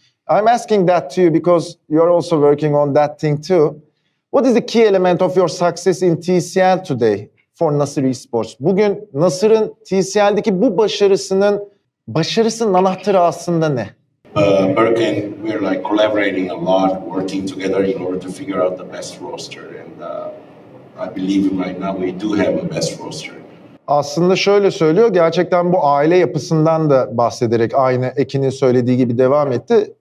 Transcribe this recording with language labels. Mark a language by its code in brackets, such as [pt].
[en] I'm asking that to you because you're also working on that thing too. What is the key element of your success in TCL today for Nasır Esports? [tr] Bugün Nasır'ın TCL'deki bu başarısının anahtarı aslında ne? [en] Berk and we're like collaborating a lot, working together in order to figure out the best roster. And I believe right now we do have a best roster. [tr] Aslında şöyle söylüyor, gerçekten bu aile yapısından da bahsederek aynı Ekin'in söylediği gibi devam etti.